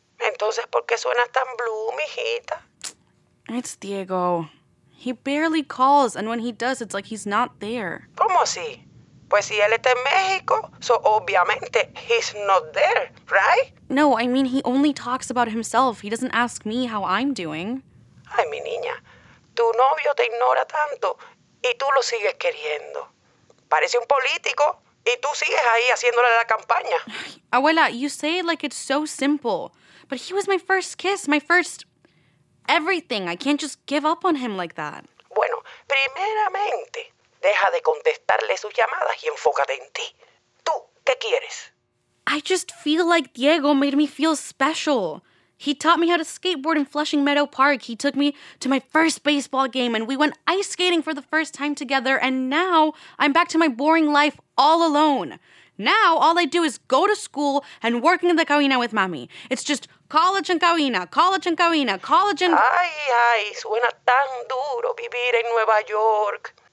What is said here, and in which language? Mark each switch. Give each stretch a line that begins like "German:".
Spanish: Entonces, ¿por qué suenas tan blue, mijita?
English: It's Diego. He barely calls, and when he does, it's like he's not there.
Spanish: ¿Cómo así? Pues si él está en México,
English: so
Spanish: obviamente
English: he's not there, right? No, I mean, he only talks about himself. He doesn't ask me how I'm doing.
Spanish: Ay, mi niña, tu novio te ignora tanto, y tú lo sigues queriendo. Parece un político, y tú sigues ahí haciéndole la campaña.
English: Abuela, you say it like it's so simple. But he was my first kiss, my first everything. I can't just give up on him like that.
Spanish: Bueno, primeramente, deja de contestarle sus llamadas y enfócate en ti. Tú, ¿qué quieres?
English: I just feel like Diego made me feel special. He taught me how to skateboard in Flushing Meadow Park. He took me to my first baseball game and we went ice skating for the first time together. And now I'm back to my boring life all alone. Now all I do is go to school and working in the cabina with mami. It's just college and cabina, college and cabina, college and...
Spanish: Ay, ay, suena tan duro vivir en Nueva York.